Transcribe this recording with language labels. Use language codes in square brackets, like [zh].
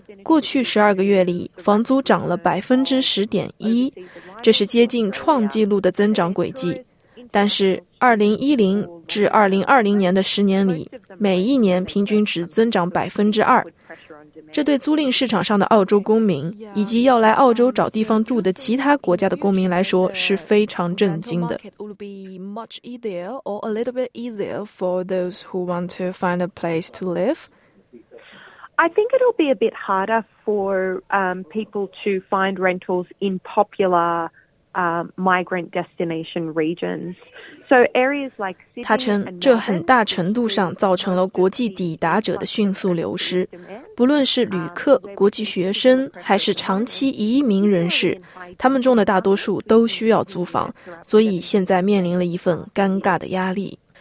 [zh] 过去12个月里，房租涨了10.1%，这是接近创纪录的增长轨迹。但是2010至2020年的10年里，每一年平均值增长2%，这对租赁市场上的澳洲公民以及要来澳洲找地方住的其他国家的公民来说是非常震惊的。 [en] Would be much easier or a little bit easier for those who want to find a place to live. I think it'll be a bit harder for people to find rentals in popular. Migrant destination regions. So areas like Sydney. [zh] 他称这很大程度上造成了国际抵达者的迅速流失，不论是旅客、国际学生还是长期移民人士，他们中的大多数都需要租房，所以现在面临了一份尴尬的压力。